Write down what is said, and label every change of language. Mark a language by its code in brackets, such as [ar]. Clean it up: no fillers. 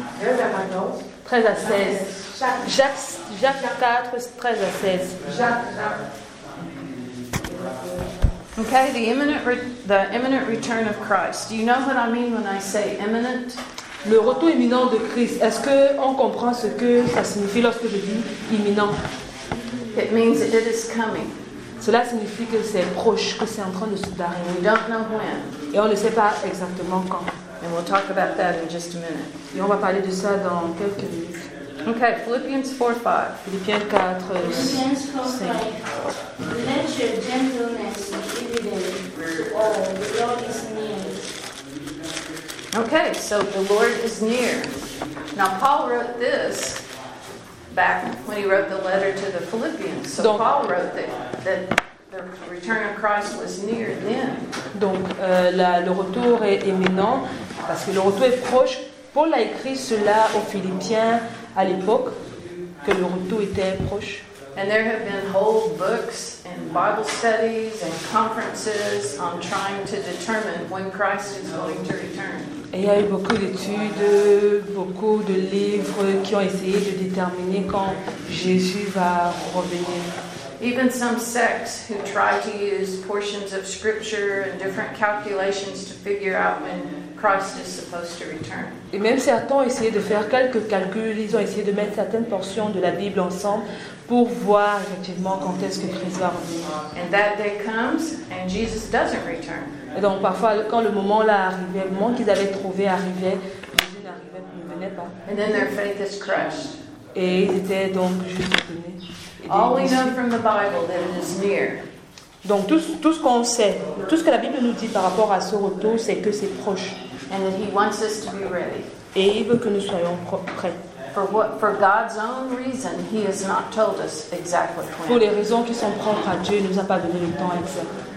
[fr] 13 à 14. 13 à 16. Jacques 4, 13 à 16. Jacques. [en] Okay, the imminent return of Christ. Do you know what I mean when I say imminent? [fr] Le retour imminent de Christ. Est-ce que on comprend ce que ça signifie lorsque je dis imminent? [en] It means that it is coming. [fr] Cela signifie que c'est proche, que c'est en train de se d'arriver. [en] We don't know when. [fr] Et on ne sait pas exactement quand. [en] And we'll talk about that in just a minute. [fr] Et on va parler de ça dans quelques minutes. [en] Okay, Philippians 4, 5. [fr] Philippiens 4, 5. [en] Let your gentleness be evident to all. The Lord is near. Okay, so the Lord is near. Now, Paul wrote this back when he wrote the letter to the Philippians. So [fr] donc, [en] Paul wrote that the return of Christ was near then. [fr] Donc, le retour est imminent parce que le retour est proche. Paul a écrit cela aux Philippiens à l'époque que le retour était proche. [en] And there have been whole books and Bible studies and conferences on trying to determine when Christ is going to return. [fr] Et il y a eu beaucoup d'études, beaucoup de livres qui ont essayé de déterminer quand Jésus va revenir. [en] Even some sects who try to use portions of scripture and different calculations to figure out when Christ is supposed to return. [fr] Et même certains ont essayé de faire quelques calculs, ils ont essayé de mettre certaines portions de la Bible ensemble pour voir effectivement quand est-ce que Christ va revenir. [en] And that day comes and Jesus doesn't return. [fr] Et donc parfois quand le moment là arrivait, le moment qu'ils avaient trouvé arrivait, Jésus n'arrivait, ne venait pas. [en] And then their faith is crushed. [fr] Et ils étaient donc juste donnés. [en] All we know from the Bible that it is near. [fr] Donc tout ce qu'on sait, tout ce que la Bible nous dit par rapport à ce retour, c'est que c'est proche. [en] And that he wants us to be ready. [fr] Et il veut que nous soyons prêts. [en] For God's own reason, he has not told us exactly when. [fr] Pour les raisons qui sont propres à Dieu, il ne nous a pas donné le temps exact.